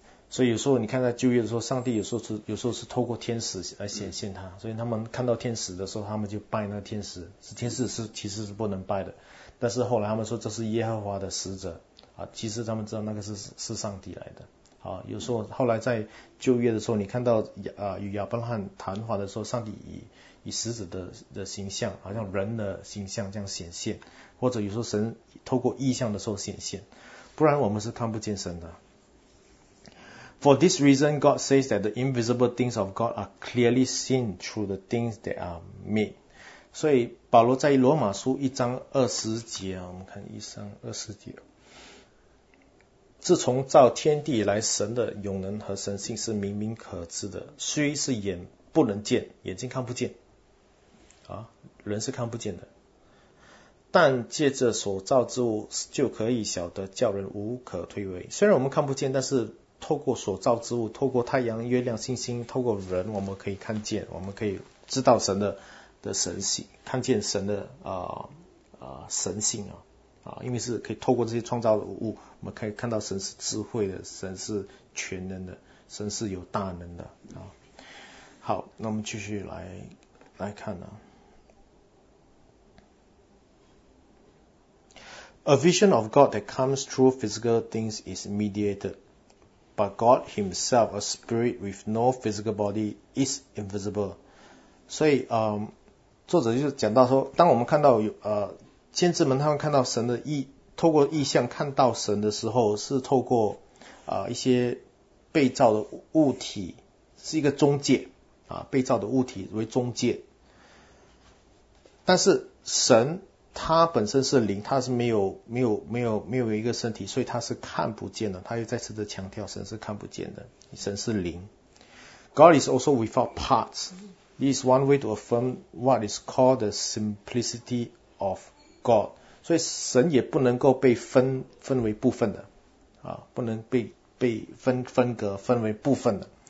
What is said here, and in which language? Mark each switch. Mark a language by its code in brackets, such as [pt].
[zh] 所以有时候你看在旧约的时候，上帝有时候是透过天使来显现他，所以他们看到天使的时候，他们就拜那个天使，是天使是其实是不能拜的，但是后来他们说这是耶和华的使者其实他们知道那个是上帝来的有时候后来在旧约的时候，你看到与亚伯拉罕谈话的时候，上帝以使者的形象，好像人的形象这样显现，或者有时候神透过异象的时候显现，不然我们是看不见神的。 [en] For this reason, God says that the invisible things of God are clearly seen through the things that are made. [zh] 所以保罗在罗马书一章二十节我们看一章二十节。自从造天地以来，神的永能和神性是明明可知的，虽是眼不能见，眼睛看不见人是看不见的。但借着所造之物就可以晓得，叫人无可推诿。虽然我们看不见，但是透过所造之物，透过太阳、月亮、星星，透过人，我们可以看见，我们可以知道神的神性，看见神的神性因为是可以透过这些创造的物，我们可以看到神是智慧的，神是全能的，神是有大能的好，那我们继续来看呢。 [en] A vision of God that comes through physical things is mediated, but God himself, a spirit with no physical body, is invisible. [zh] 所以作者就是讲到说，当我们看到先知们他们看到神的意，透过意象看到神的时候，是透过一些被造的物体，是一个中介被造的物体为中介。但是神他本身是灵，他是没有一个身体，所以他是看不见的。他又再次的强调，神是看不见的，神是灵。 [en] God is also without parts. This is one way to affirm what is called the simplicity of God. [zh] 所以神也不能够被分为部分的不能被分隔分为部分的。